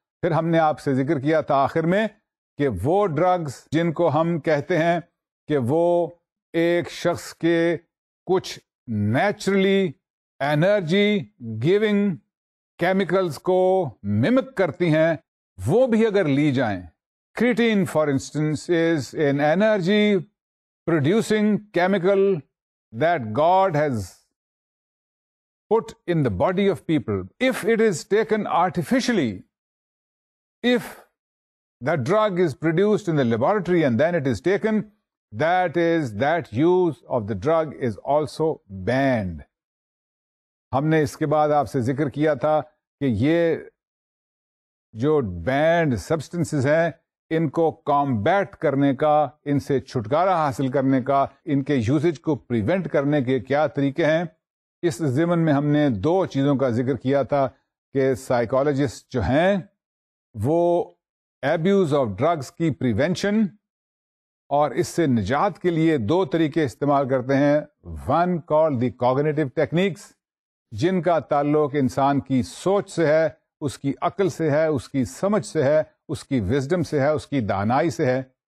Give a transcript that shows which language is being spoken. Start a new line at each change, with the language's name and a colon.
Urdu: پھر ہم نے آپ سے ذکر کیا تھا آخر میں کہ وہ ڈرگز جن کو ہم کہتے ہیں کہ وہ ایک شخص کے کچھ
English: naturally energy giving chemicals
Urdu: کو مِمک کرتی ہیں، وہ بھی اگر لی جائیں.
English: Creatine for instance is an energy producing chemical that God has put in the body of people. If it is taken artificially, if the drug is produced in the laboratory and then it is taken, that is that use of the drug is also banned.
Urdu: ہم نے اس کے بعد آپ سے ذکر کیا تھا کہ یہ جو banned substances ہیں ان کو combat کرنے کا، ان سے چھٹکارا حاصل کرنے کا، ان کے usage کو prevent کرنے کے کیا طریقے ہیں. اس ضمن میں ہم نے دو چیزوں کا ذکر کیا تھا کہ psychologists جو ہیں وہ
English: abuse of drugs
Urdu: کی prevention اور اس سے نجات کے لیے دو طریقے استعمال کرتے ہیں،
English: one call the cognitive techniques,
Urdu: جن کا تعلق انسان کی سوچ سے ہے، اس کی عقل سے ہے، اس کی سمجھ سے ہے، اس کی وزڈم سے ہے، اس کی دانائی سے ہے،